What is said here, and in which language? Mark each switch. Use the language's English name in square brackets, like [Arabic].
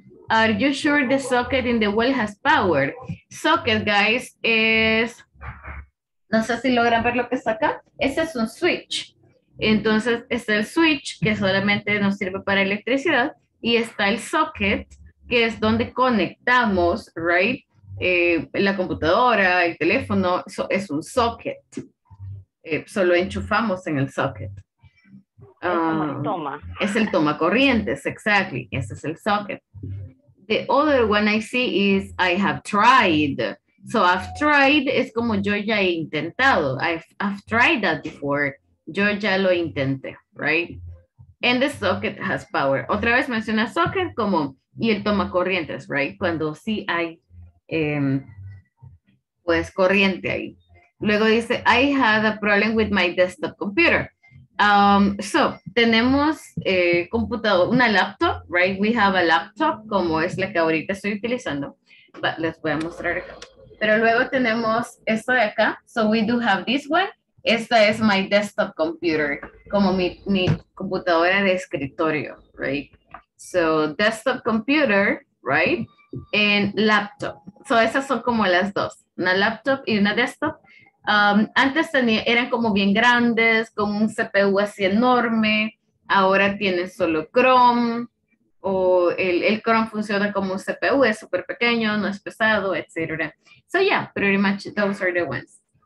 [English] Are you sure the socket in the wall has power? Socket, guys, is... [Spanish] No sé si logran ver lo que está acá. Ese es un switch. Entonces, está el switch que solamente nos sirve para electricidad. Y está el socket, que es donde conectamos, right? La computadora, el teléfono, so, es un socket. Solo enchufamos en el socket. Toma. Es el toma corrientes, exactly. Ese es el socket. [English] The other one I see is I have tried. [Spanish] So I've tried es como yo ya he intentado. [English] I've tried that before. [Spanish] Yo ya lo intenté, [English] right? And the socket has power. [Spanish] Otra vez menciona socket como y el toma corrientes, right? Cuando sí hay pues corriente ahí. Luego dice, [English] I had a problem with my desktop computer. [Spanish] So tenemos computador, una laptop, right? [English] We have a laptop [Spanish] como es la que ahorita estoy utilizando. But les voy a mostrar acá. Pero luego tenemos esto de acá. [English] So we do have this one. [Spanish] Esta es [English] my desktop computer. [Spanish] Como mi computadora de escritorio, right? [English] So desktop computer, right? And laptop. [Spanish] So esas son como las dos. Una laptop y una desktop. Antes tenía, eran como bien grandes, con un CPU así enorme. Ahora tiene solo Chrome. O el Chrome funciona como un CPU, es súper pequeño, no es pesado, etc. [English] So yeah, pretty much those are the ones.